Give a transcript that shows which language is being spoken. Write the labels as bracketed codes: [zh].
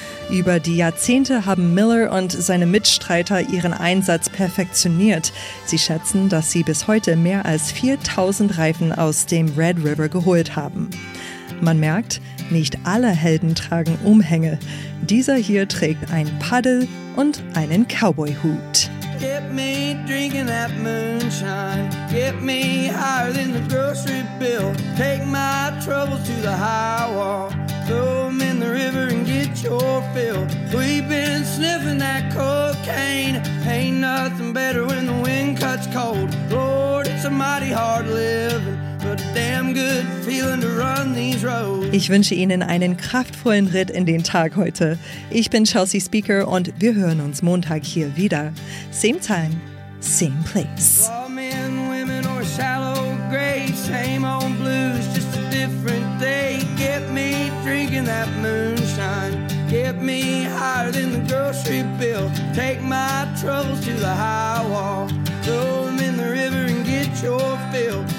[de] Über die Jahrzehnte haben Miller und seine Mitstreiter ihren Einsatz perfektioniert. Sie schätzen, dass sie bis heute mehr als 4000 Reifen aus dem Red River geholt haben. Man merkt, nicht alle Helden tragen Umhänge. Dieser hier trägt ein Paddel und einen Cowboyhut. [en] Get me drinking that moonshine. Get me higher than the grocery bill. Take my troubles to the high wall. Throw them in the river and get your fill. We've been sniffing that cocaine. Ain't nothing better when the wind cuts cold. Lord, it's a mighty hard living. [de] Ich wünsche Ihnen einen kraftvollen Ritt in den Tag heute. Ich bin Chelsea Speaker und wir hören uns Montag hier wieder. [en] Same time, same place. All men, women or shallow graves, same old blues, just a different day. Get me drinking that moonshine. Get me higher than the grocery bill. Take my troubles to the high wall. Throw them in the river and get your fill.